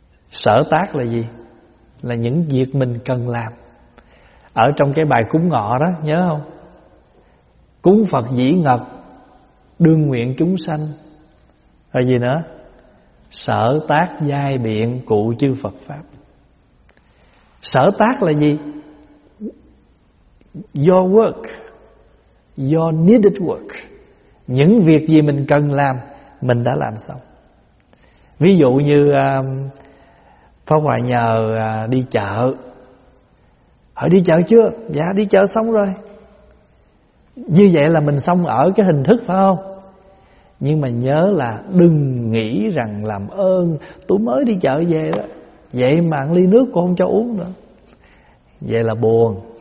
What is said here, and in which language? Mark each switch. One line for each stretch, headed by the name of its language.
Vietnamese: Sở tác là gì? Là những việc mình cần làm. Ở trong cái bài cúng ngọ đó, nhớ không? Cúng Phật dĩ ngật, đương nguyện chúng sanh. Rồi gì nữa? Sở tác giai biện cụ chư Phật pháp. Sở tác là gì?
English: Your work, your needed work.
Vietnamese: Những việc gì mình cần làm, mình đã làm xong. Ví dụ như Pháp Hòa nhờ đi chợ. Hỏi đi chợ chưa? Dạ đi chợ xong rồi. Như vậy là mình xong ở cái hình thức phải không? Nhưng mà nhớ là đừng nghĩ rằng làm ơn tôi mới đi chợ về đó, vậy mà ăn ly nước cũng không cho uống nữa. Vậy là buồn.